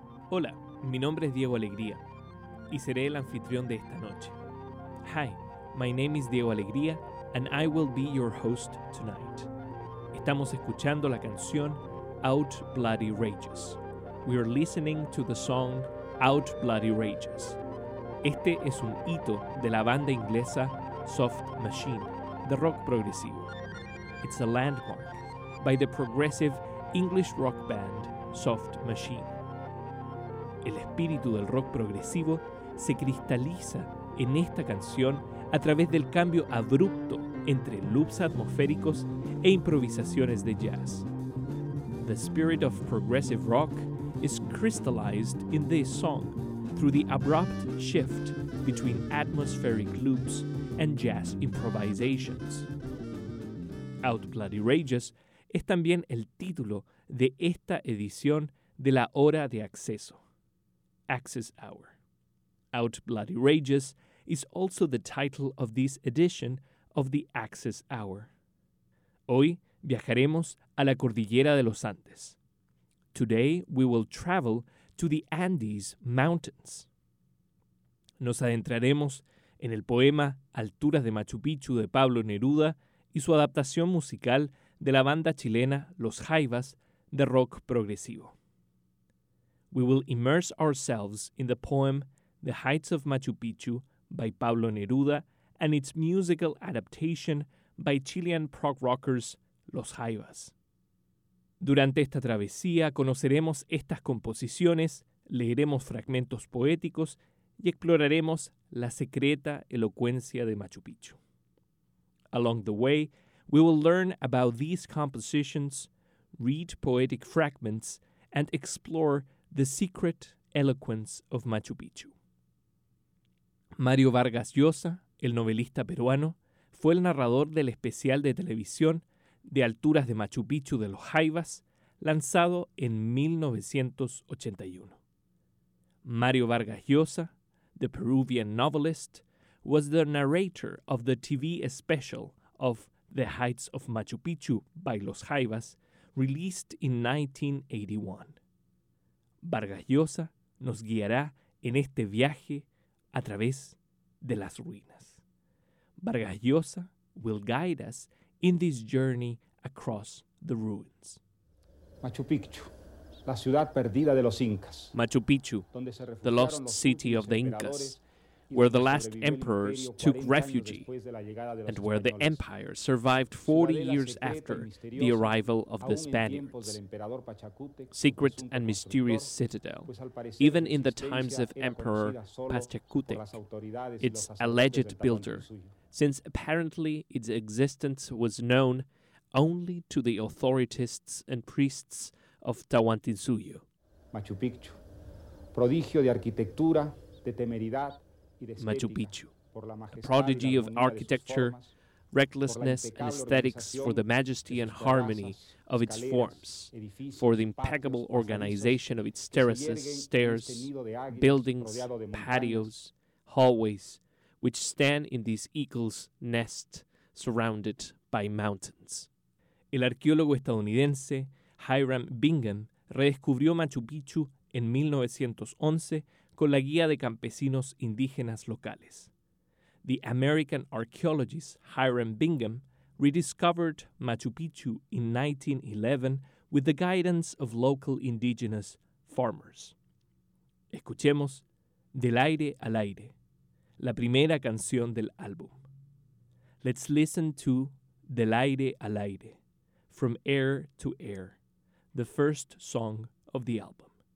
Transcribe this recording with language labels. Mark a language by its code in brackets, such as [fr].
[es] Hola, mi nombre es Diego Alegría, y seré el anfitrión de esta noche. [en] Hi, my name is Diego Alegría, and I will be your host tonight. [es] Estamos escuchando la canción Out Bloody Rages. [en] We are listening to the song Out Bloody Rages. [es] Este es un hito de la banda inglesa Soft Machine, de rock progresivo. [en] It's a landmark by the progressive English rock band Soft Machine. [es] El espíritu del rock progresivo se cristaliza en esta canción a través del cambio abrupto entre loops atmosféricos e improvisaciones de jazz. [en] The spirit of progressive rock is crystallized in this song through the abrupt shift between atmospheric loops and jazz improvisations. [es] Out Bloody Rages es también el título de esta edición de la Hora de Acceso, Access Hour. [en] Out Bloody Rages is also the title of this edition of the Access Hour. [es] Hoy viajaremos a la Cordillera de los Andes. [en] Today we will travel to the Andes Mountains. [es] Nos adentraremos en el poema Alturas de Machu Picchu de Pablo Neruda y su adaptación musical de la banda chilena Los Jaivas de rock progresivo. [en] We will immerse ourselves in the poem The Heights of Machu Picchu by Pablo Neruda and its musical adaptation by Chilean prog rockers Los Jaivas. [es] Durante esta travesía conoceremos estas composiciones, leeremos fragmentos poéticos y exploraremos la secreta elocuencia de Machu Picchu. [en] Along the way, we will learn about these compositions, read poetic fragments, and explore the secret eloquence of Machu Picchu. [es] Mario Vargas Llosa, el novelista peruano, fue el narrador del especial de televisión de Alturas de Machu Picchu de Los Jaivas, lanzado en 1981. [en] Mario Vargas Llosa, the Peruvian novelist, was the narrator of the TV special of The Heights of Machu Picchu by Los Jaivas, released in 1981. [es] Vargas Llosa nos guiará en este viaje a través de las ruinas. [en] Vargas Llosa will guide us in this journey across the ruins. [es] Machu Picchu, la ciudad perdida de los Incas. [en] Machu Picchu, the lost city of the Incas, where the last emperors took refuge and where the empire survived 40 years after the arrival of the Spaniards. Secret and mysterious citadel, even in the times of Emperor Pachacutec, its alleged builder, since apparently its existence was known only to the authorities and priests of Tahuantinsuyo. [es] Machu Picchu, prodigio de arquitectura, de temeridad y de estética. [en] Machu Picchu, a prodigy of architecture, recklessness and aesthetics for the majesty and harmony of its forms, for the impeccable organization of its terraces, stairs, buildings, patios, hallways, which stand in this eagle's nest surrounded by mountains. [es] El arqueólogo estadounidense Hiram Bingham redescubrió Machu Picchu en 1911 con la guía de campesinos indígenas locales. [en] the American archaeologist Hiram Bingham rediscovered Machu Picchu in 1911 with the guidance of local indigenous farmers. [es] Escuchemos Del Aire al Aire, la primera canción del álbum. [en] Let's listen to Del Aire al Aire, From Air to Air, the first song of the album.